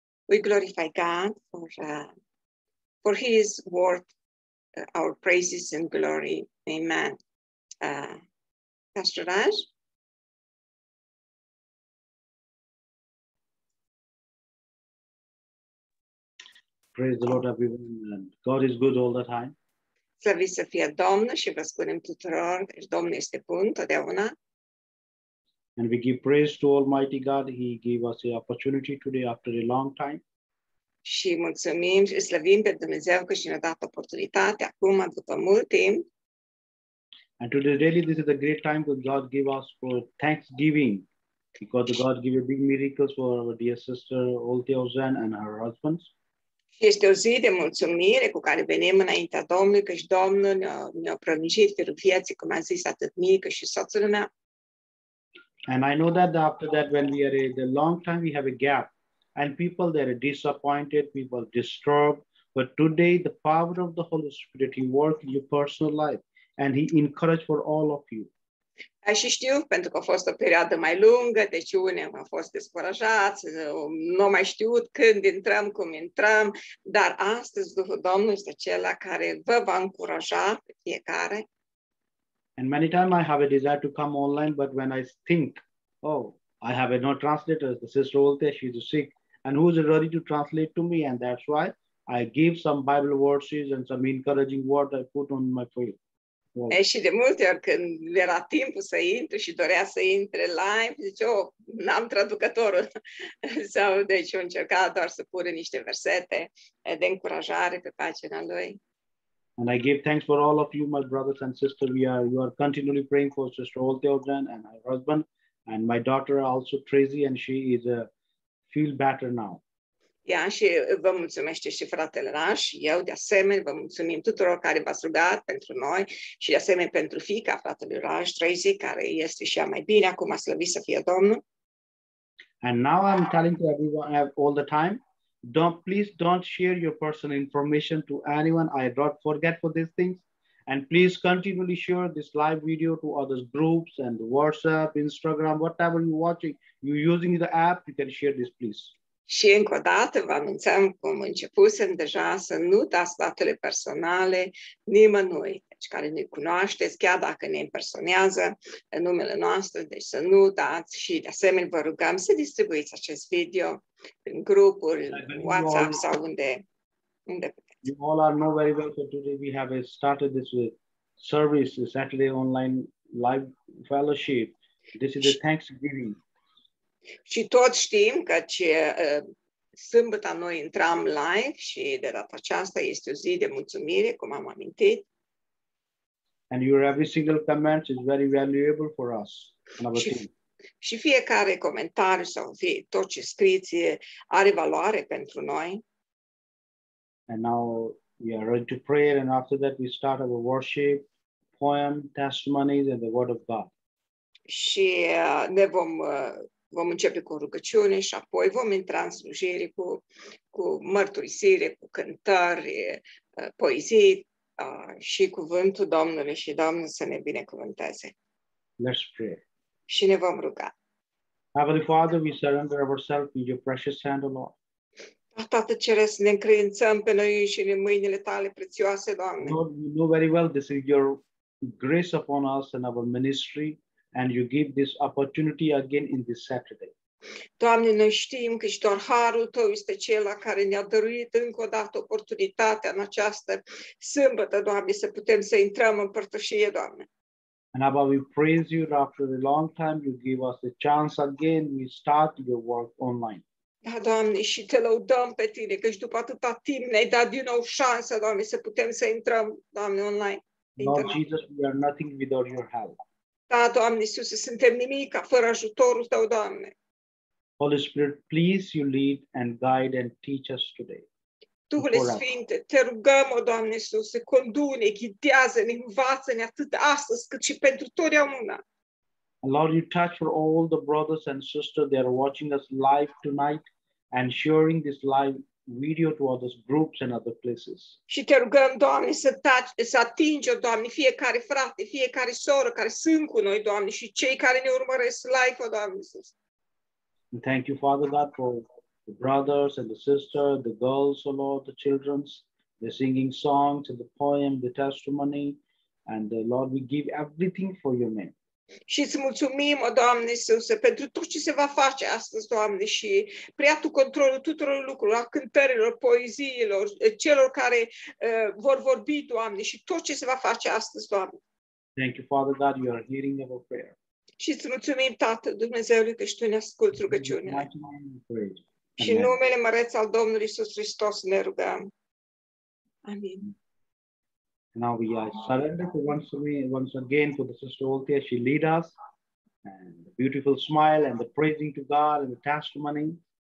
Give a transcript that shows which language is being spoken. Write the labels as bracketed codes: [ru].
[en] We glorify God for His worth, our praises and glory. Amen. Pastor Raj. Praise the Lord, everyone, and God is good all the time. [ro] Slăviți să fie Domnul și vă spunem tuturor că Domnul este bun totdeauna. [en] And we give praise to Almighty God. He gave us the opportunity today after a long time. [ro] Și mulțumim și slăvim pe Dumnezeu că și ne-a dat oportunitatea acum după mult timp. [en] And today really this is a great time that God gave us for thanksgiving, because God gave a big miracles for our dear sister Oltia Ozan and her husbands. [ro] Este o zi de mulțumire cu care venim înaintea Domnului, căci Domnul ne-a prelungit firul vieții, cum a zis, atât mie cât și soțul meu. [en] And I know that after that, when we are a long time, we have a gap. And people, they are disappointed, people are disturbed. But today, the power of the Holy Spirit, He worked in your personal life. And He encouraged for all of you. [ro] Și știu, pentru că a fost o perioadă mai lungă, deci unii au fost descurajați, nu mai știut când intrăm, cum intrăm, dar astăzi Duhul Domnului este acela care vă va încuraja pe fiecare. [en] And many times I have a desire to come online, but when I think, oh, I have a no translator, the sister Oltia, she is sick, and who is ready to translate to me, and that's why I give some Bible verses and some encouraging words I put on my face. Wow. [ro] Și de multe ori când era timpul să intre și dorea să intre live, zice, oh, n-am traducătorul. Sau, deci, a încercat doar să pune niște versete de încurajare pe pagina lui. [en] And I give thanks for all of you, my brothers and sisters. You are continually praying for Sister Oltia Ozan and my husband. And my daughter also, Tracy, and she is feel better now. [ro] Ia, și vă mulțumesc și fratele Raș și eu de asemenea vă mulțumim tuturor care v-ați rugat pentru noi și de asemenea pentru fiica fratele Raș Tracy, care este și ea mai bine acum, a slăvit să fie Domnul. [en] And now I'm telling to everyone all the time, please don't share your personal information to anyone. I don't forget for these things, and please continually share this live video to other groups and WhatsApp, Instagram, whatever you're watching, you're using the app, you can share this, please. [ro] Și încă o dată vă anunțăm cum începusem deja să nu dați datele personale nimănui, deci care ne cunoașteți, chiar dacă ne impersonează în numele nostru, deci să nu dați și de asemenea vă rugăm să distribuiți acest video prin grupuri, WhatsApp sau unde puteți. [en] You all are know very well that today we have started this service, Saturday online live fellowship. This is a thanksgiving. [ro] Și toți știm că ce sâmbătă noi intram live și de data aceasta este o zi de mulțumire, cum am amintit. [en] And your every single comment is very valuable for us and our team. [ro] Și fiecare comentariu sau tot ce scrieți are valoare pentru noi. [en] And now we are ready to pray and after that we start our worship, poem, testimonies and the word of God. [ro] Și ne vom vom începe cu rugăciune și apoi vom intra în slujire cu mărturisire, cu cântări, poezii și cuvântul Domnului și Domnul să ne binecuvânteze. [en] Let's pray. [ro] Și ne vom ruga. [en] Heavenly Father, we surrender ourselves in your precious hand, O Lord. [ro] Tată Ceresc, ne încredințăm pe noi și în mâinile tale prețioase, Doamne. [en] Lord, you know very well this is your grace upon us and our ministry. And you give this opportunity again in this Saturday. [ro] Doamne, noi știm că și doar harul tău este cel care ne-a dăruit încă o dată oportunitatea în această sâmbătă, Doamne, să putem să intrăm în părtășie, Doamne. [en] And Abba, we praise you after a long time, you give us a chance again, we start your work online. [ro] Da, Doamne, și te lăudăm pe tine, că și după atâta timp ne-ai dat din nou șansa, Doamne, să putem să intrăm, Doamne, online. [en] Lord Jesus, we are nothing without your help. [ro] Da, Doamne Iisuse, suntem nimica fără ajutorul Tău, Doamne. [en] Holy Spirit, please you lead and guide and teach us today. [ro] Duhule Sfinte, te rugăm, o Doamne Iisuse, condu-ne, ghidează-ne, învață-ne atât astăzi cât și pentru totdeauna. [en] Lord, you touch for all the brothers and sisters that are watching us live tonight and sharing this live video to other groups and other places. [ro] Și te rugăm, Doamne, să atingi, Doamne, fiecare frate, fiecare soră care sunt cu noi, Doamne, și cei care ne urmăresc live, Doamne Iisus. [en] Thank you, Father God, for the brothers and the sisters, the girls, O Lord, the children, the singing songs and the poem, the testimony, and the Lord, we give everything for your name. [ro] Și îți mulțumim, o Doamne Iisuse, pentru tot ce se va face astăzi, Doamne, și preia Tu controlul tuturor lucrurilor, a cântărilor, poeziilor, celor care vor vorbi, Doamne, și tot ce se va face astăzi, Doamne. [en] Thank you, Father God, you are hearing our prayer. [ro] Și îți mulțumim, Tată, Dumnezeule, că și Tu ne asculți rugăciunea. Și în numele măreț al Domnului Iisus Hristos ne rugăm. Amin. [en] Now we are surrendered once again to the sister Olthia. She lead us and the beautiful smile and the praising to God and the testimony.